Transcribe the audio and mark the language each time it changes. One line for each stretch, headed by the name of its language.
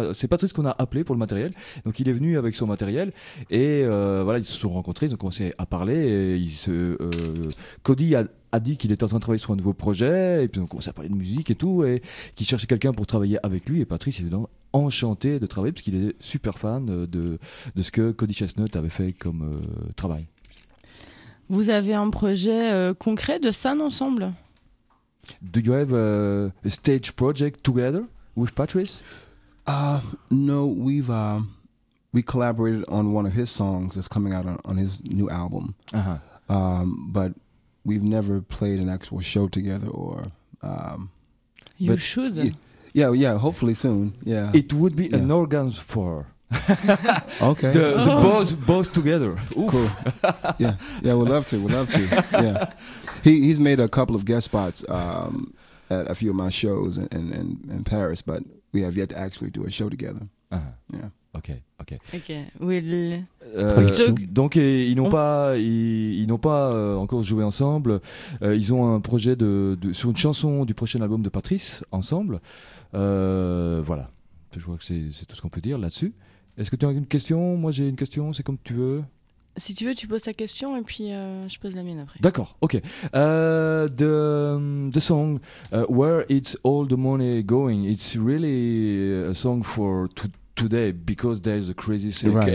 French: C'est Patrice qu'on a appelé pour le matériel. Donc il est venu avec son matériel, et voilà, ils se sont rencontrés, ils ont commencé à parler, et Cody a dit qu'il était en train de travailler sur un nouveau projet, et puis on commence à parler de musique et tout, et qu'il cherchait quelqu'un pour travailler avec lui. Et Patrice est dedans, enchanté de travailler, parce qu'il est super fan de ce que Cody Chestnut avait fait comme travail. Vous avez un projet concret de scène ensemble?
English: Do you have a stage project together with Patrice? No, we collaborated on one of his songs that's coming out on his new album. Uh-huh. But we've never played an actual show together, or you should. Yeah, hopefully soon. Yeah. It would be an organ for. Okay. The both together. Oof. Cool. Yeah, we'd love to. Yeah. He's made a couple of guest spots at a few of my shows in Paris, but we have yet to actually do a show together. Uh-huh. Yeah. Ok. Will.
French: Donc ils n'ont pas encore joué ensemble. Ils ont un projet de sur une chanson du prochain album de Patrice ensemble. Voilà. Je crois que c'est tout ce qu'on peut dire là-dessus. Est-ce que tu as une question? Moi j'ai une question. C'est comme tu veux. Si tu veux, tu poses ta question et puis je pose la mienne après. D'accord, ok.
English: The song, Where It's All The Money Going, it's really a song for today because there's a crisis, right.